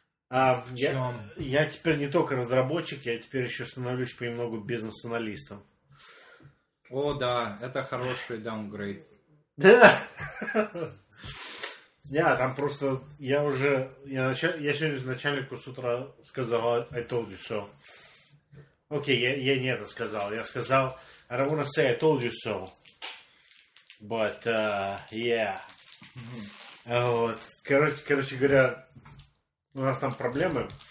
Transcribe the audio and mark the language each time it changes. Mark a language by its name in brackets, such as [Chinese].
[Russian] А я теперь не только разработчик, я теперь еще становлюсь понемногу бизнес-аналистом. О, да, это хороший даунгрейд. Да! Я там просто, я уже, я сегодня начальнику с утра сказал, [English] I told you so. [Russian] Окей, я не это сказал, я сказал, [English] I don't want to say I told you so. But, yeah. [Russian] Вот. Короче говоря, у нас там проблемы.